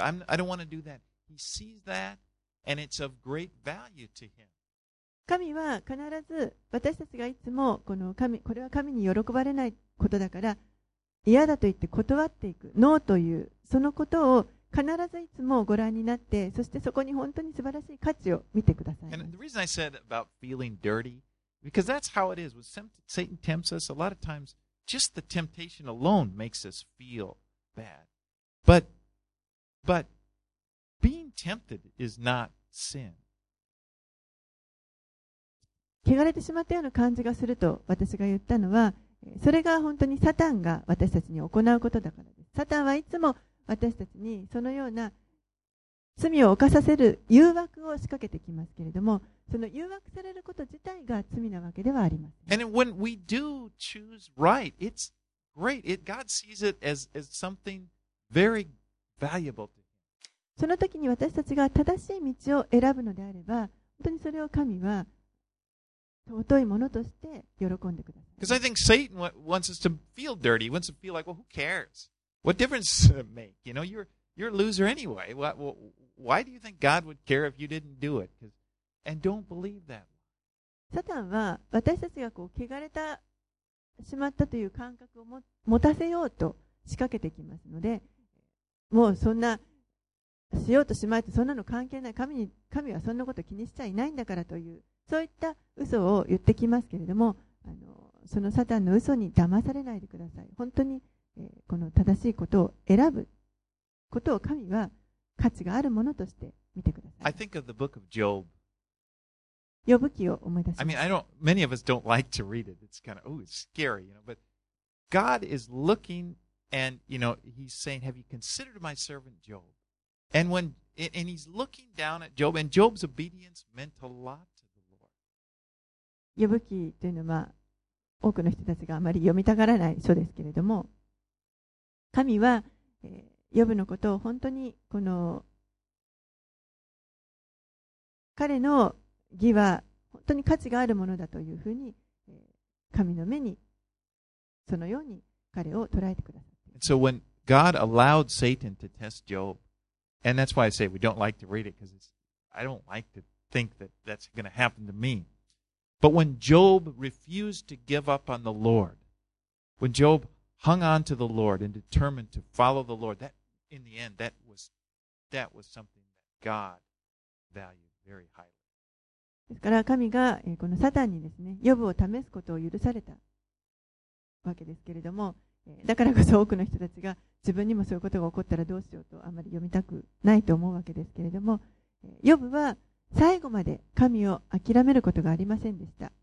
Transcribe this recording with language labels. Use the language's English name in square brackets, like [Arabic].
[English] I don't want to do that. He sees that, and it's of great value to Him. [Japanese] 神は必ず私たちがいつもこれは神に喜ばれないことだから、嫌だと言って断っていく、ノーという、そのことを必ずいつもご覧になって、そしてそこに本当に素晴らしい価値を見てください。 [English] And the reason I said about feeling dirty, because that's how it is. When Satan tempts us, a lot of times, just the temptation alone makes us feel bad. But being tempted is not sin. [Japanese] 汚れてしまったような感じがすると私が言ったのは、それが本当にサタンが私たちに行うことだからです。サタンはいつも私たちにそのような罪を犯させる誘惑を仕掛けてきますけれども、その誘惑されること自体が罪なわけではありません。 [English] And when we do choose right, it's great. God sees it as something very valuable to him. [Japanese] その時に私たちが正しい道を選ぶのであれば、本当にそれを神は尊いものとして喜んでください。 [English] Because I think Satan wants us to feel dirty. He wants to feel like, well, who cares? What difference does it make? You know, you're a loser anyway. Why do you think God would care if you didn't do it? And don't believe that. [Japanese] サタンは私たちがこう汚れてしまったという感覚を持たせようと仕掛けてきますので、もうそんなしようとしまいとそんなの関係ない。神はそんなこと気にしちゃいないんだからという。そういった嘘を言ってきますけれども、そのサタンの嘘に騙されないでください。本当に、この正しいことを選ぶことを神は価値があるものとして見てください。 [English] I think of the book of Job. [Japanese] 呼ぶ記を思い出します。 [English] I mean, many of us don't like to read it. It's kind of, oh, it's scary, you know. But God is looking and, you know, he's saying, have you considered my servant Job? And he's looking down at Job, and Job's obedience meant a lot. [Japanese] 呼ぶ記というのは多くの人たちがあまり読みたがらない書ですけれども、神は呼ぶのことを本当にこの彼の義は本当に価値があるものだというふうに神の目にそのように彼を捉えてくださっています。 [English] So when God allowed Satan to test Job, and that's why I say we don't like to read it, because I don't like to think that that's going to happen to meBut when Job refused to give up on the Lord, when Job hung on to the Lord and determined to follow the Lord, that in the end, that was something that God valued very highly. [Japanese] ですから神がこのサタンにですね、ヨブを試すことを許されたわけですけれども、だからこそ多くの人たちが自分にもそういうことが起こったらどうしようとあまり読みたくないと思うわけですけれども、ヨブは最後まで神を諦めることがありませんでした。